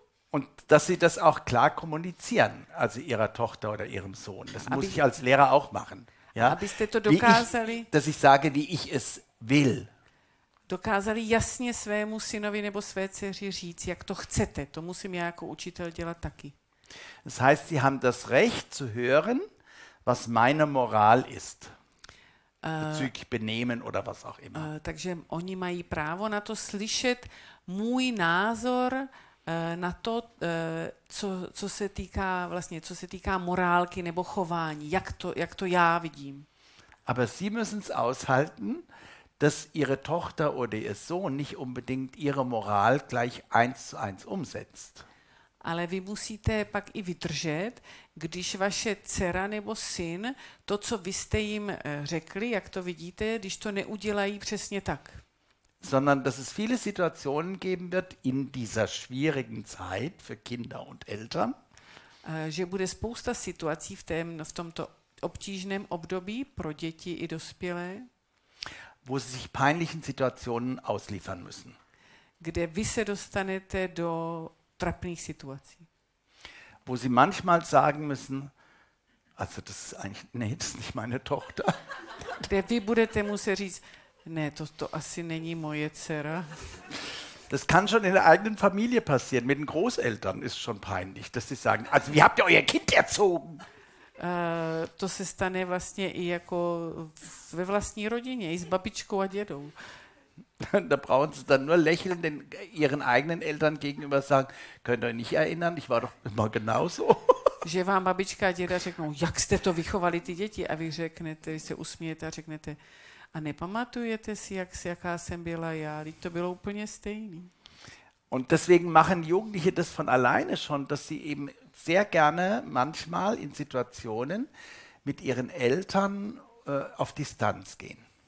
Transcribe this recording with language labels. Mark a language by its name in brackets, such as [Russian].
[German] Und dass sie das auch klar kommunizieren, also ihrer Tochter oder ihrem Sohn. Das muss ich als Lehrer auch machen. Ja? [Czech] Abyste to dokázali. [German] Dass ich sage, wie ich es will. [Czech] Dokázali jasně svému synovi nebo své dceři říct, jak to chcete. To musím já jako učitel dělat taky. [German] Das heißt, sie haben das Recht zu hören, was meine Moral ist. Bezüglich Benehmen oder was auch immer. [Czech] Takže oni mají právo na to slyšet můj názor na to, co se týká vlastně, co se týká morálky nebo chování, jak to já vidím. [German] Aber sie müssen es aushalten, dass ihre Tochter oder ihr Sohn nicht unbedingt ihre Moral gleich eins zu eins umsetzt. [Czech] Ale vy musíte pak i vydržet, když vaše dcera nebo syn to, co vy jste jim řekli, jak to vidíte, když to neudělají přesně tak. [German] Sondern dass es viele Situationen geben wird in dieser schwierigen Zeit für Kinder und Eltern. [Czech] Že bude spousta situací v tomto obtížném období pro děti i dospělé, [German] wo sie sich peinlichen Situationen ausliefern müssen. [Czech] Kde vy se dostanete do trapných situací. [German] Wo sie manchmal sagen müssen, also das ist eigentlich, nee, das ist nicht meine Tochter. [Czech] Kde vy budete muset říct, ne, to asi není moje dcera. [German] Das kann schon in der eigenen Familie passieren. Mit den Großeltern ist schon peinlich, dass sie sagen, also wie habt ihr euer Kind erzogen? [Czech] To se stane vlastně i jako ve vlastní rodině, i s babičkou a dědou. [German] Da brauchen sie dann nur lächeln, denn ihren eigenen Eltern gegenüber sagen, könnt ihr euch nicht erinnern, ich war doch immer genauso. [Czech] Že vám babička a děda řeknou, jak jste to vychovali ty děti, a vy řeknete, vy se usmějete a řeknete, a nepamatujete si, jaká jsem byla já, teď to bylo úplně stejný. [German] Und deswegen machen Jugendliche das von alleine schon, dass sie eben sehr gerne manchmal in Situationen mit ihren Eltern auf Distanz gehen.